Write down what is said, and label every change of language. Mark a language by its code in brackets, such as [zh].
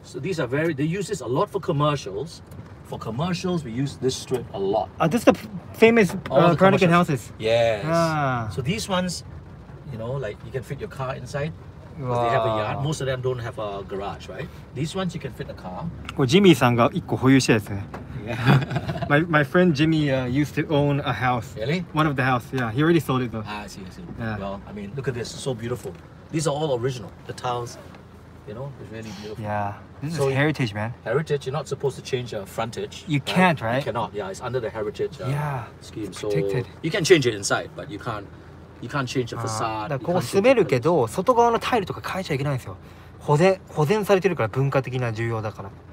[en] So these are very, they use this a lot for commercials. For commercials, we use this strip a lot. This is the famous Peranakan houses. Yes. Ah. So these ones, you know, like you can fit your car inside. Wow. They have a yard. Most of them don't have a garage, right? These ones you can fit a car. [ja] これジミーさんが一個保有してですね。 [en] Yeah. my friend Jimmy used to own a house. Really? One of the house, yeah. He already sold it though. Ah, I see. Yeah. Well, I mean, look at this. So beautiful. These are all original. The tiles, you know, it's really beautiful. Yeah. This is heritage, man. Heritage, you're not supposed to change your frontage. You can't, right? You cannot, yeah. It's under the heritage scheme. It's protected. So you can change it inside, but you can't change the facade. [ja] ここ住めるけど、外側のタイルとか変えちゃいけないんですよ。保全されてるから、文化的には重要だから。